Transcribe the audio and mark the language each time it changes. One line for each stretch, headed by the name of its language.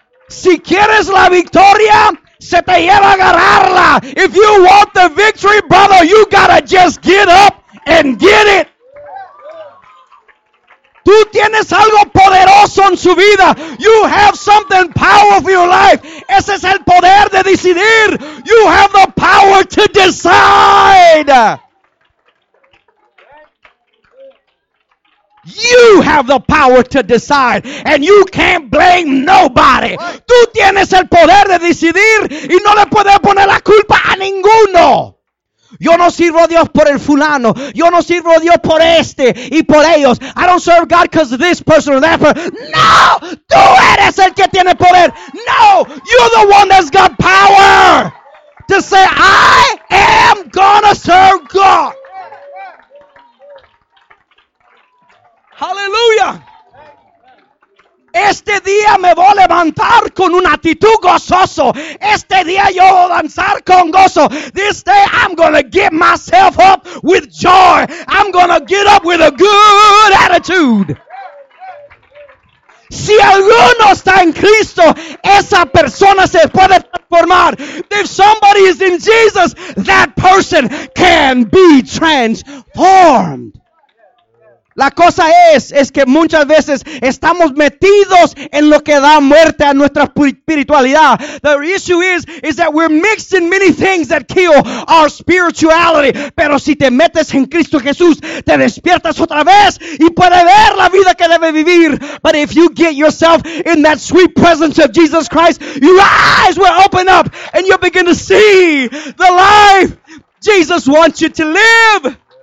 Spanish: Si quieres la victoria, se te lleva a agarrarla.
English: If you want the victory, brother, you gotta just get up and get it.
Spanish: Tú tienes algo poderoso en su vida.
English: You have something powerful in your life.
Spanish: Ese es el poder de decidir.
English: You have the power to decide. You have the power to decide, and you can't blame nobody.
Spanish: Tú tienes el poder de decidir, y no le puedes poner la culpa a ninguno. Yo no sirvo a Dios por el fulano. Yo no sirvo a Dios por este y por ellos.
English: I don't serve God because of this person or that person.
Spanish: No, tú eres el que tiene poder.
English: No, you're the one that's got power to say, I am gonna serve God. Hallelujah.
Spanish: Este día me voy a levantar con una actitud gozoso. Este día yo voy a danzar con gozo.
English: This day I'm going to get myself up with joy. I'm going to get up with a good attitude.
Spanish: Si alguno está en Cristo, esa persona se puede transformar.
English: If somebody is in Jesus, that person can be transformed.
Spanish: La cosa es que muchas veces estamos metidos en lo que da muerte a nuestra espiritualidad.
English: The issue is that we're mixed in many things that kill our spirituality.
Spanish: Pero si te metes en Cristo Jesús, te despiertas otra vez y puedes ver la vida que debe vivir.
English: But if you get yourself in that sweet presence of Jesus Christ, your eyes will open up and you'll begin to see the life Jesus wants you to live.